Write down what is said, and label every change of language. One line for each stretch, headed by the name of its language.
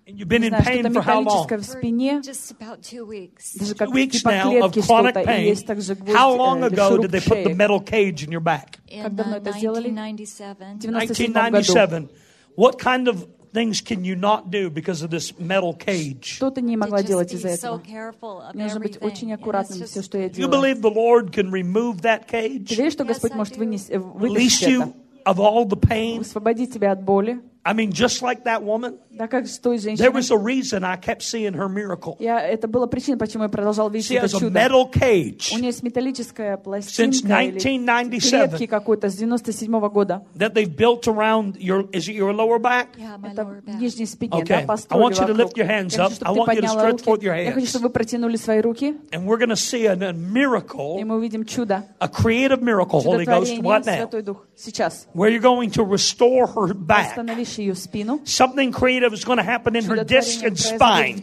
English: And you've been in pain for how long? Just about 2 weeks. 2 weeks now of chronic pain. How long ago did they put the metal cage in your back? In 1997. 1997. What kind of things can you not do because of this metal cage?
Russian: Что ты не могла делать из-за этого?
English: Be so careful of everything.
Russian: Нужно быть очень аккуратным все, что я делаю.
English: You believe the Lord can remove that cage?
Russian: Ты веришь, что Господь может вынести это?
English: Release you. Of all the pain.
Russian: Освободить тебя от боли.
English: I mean, just like that woman.
Russian: Да, как с той женщиной.
English: There was a reason I kept seeing her miracle.
Russian: Я это была причина, почему я продолжал видеть это чудо.
English: She has a metal cage.
Russian: У нее металлическая пластинка.
English: Since 1997.
Russian: Клетки какой-то с 97 года.
English: That they've built around your is it your lower back? Yeah, my lower back.
Russian: Нижней спине.
English: Okay.
Russian: Да,
English: I want you to lift your hands up.
Russian: Я хочу, чтобы ты подняла руки.
English: Forth your hands.
Russian: Я хочу, чтобы вы протянули свои руки.
English: And we're gonna see a miracle.
Russian: И мы увидим чудо.
English: A creative miracle, Holy Ghost, what now?
Russian: Святой Дух. Сейчас.
English: Where you're going to restore her back? Something creative is going to happen in her disc and spine.